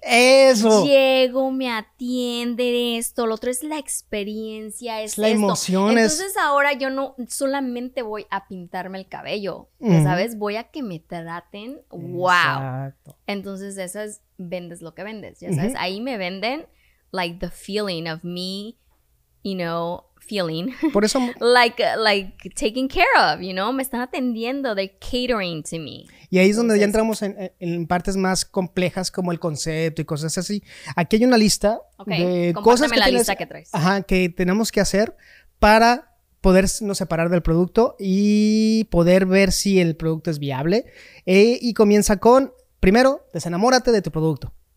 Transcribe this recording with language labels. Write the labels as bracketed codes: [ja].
[es] ¡Eso! Llego, me atienden esto, lo otro es la experiencia, es la emoción. Entonces ahora yo no solamente voy a pintarme el cabello, ¿sabes? Voy a que me traten. ¡Wow! Exacto. Entonces eso es, vendes lo que vendes, ¿ya sabes? Ahí me venden, [en] like, the feeling of me, you know, feeling. [es] Por eso, [en] like taking care of, you know, [es] me están atendiendo, [en] they're catering to me. [es] Y ahí es donde ya entramos en partes más complejas como el concepto y cosas así. Aquí hay una lista de cosas que tienes, la lista que traes. Ajá, que tenemos que hacer para podernos separar del producto y poder ver si el producto es viable. Y comienza con, primero, desenamórate de tu producto.